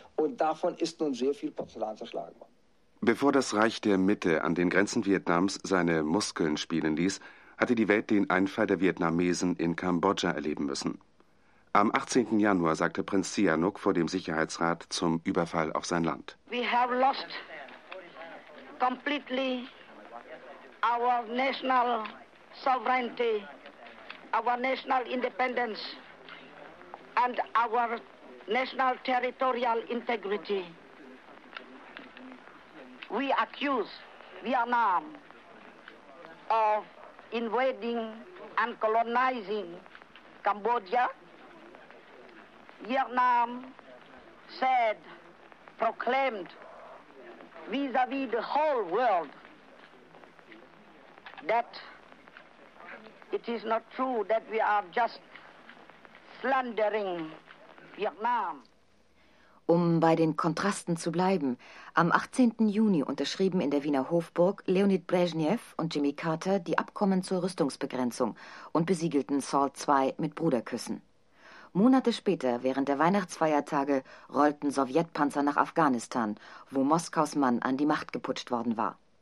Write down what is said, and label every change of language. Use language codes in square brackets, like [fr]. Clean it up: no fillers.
[de] Und davon ist nun sehr viel Porzellan zerschlagen worden. Bevor das Reich der Mitte an den Grenzen Vietnams seine Muskeln spielen ließ, hatte die Welt den Einfall der Vietnamesen in Kambodscha erleben müssen. Am 18. Januar sagte Prinz Sihanouk vor dem Sicherheitsrat zum Überfall auf sein Land. [en] We have lost completely our national sovereignty, our national independence and our national territorial integrity. We accuse Vietnam of invading and colonizing Cambodia. Vietnam said, proclaimed vis-à-vis the whole world that it is not true, that we are just slandering Vietnam. [de] Um bei den Kontrasten zu bleiben, am 18. Juni unterschrieben in der Wiener Hofburg Leonid Brezhnev und Jimmy Carter die Abkommen zur Rüstungsbegrenzung und besiegelten SALT II mit Bruderküssen. Monate später, während der Weihnachtsfeiertage, rollten Sowjetpanzer nach Afghanistan, wo Moskaus Mann an die Macht geputscht worden war.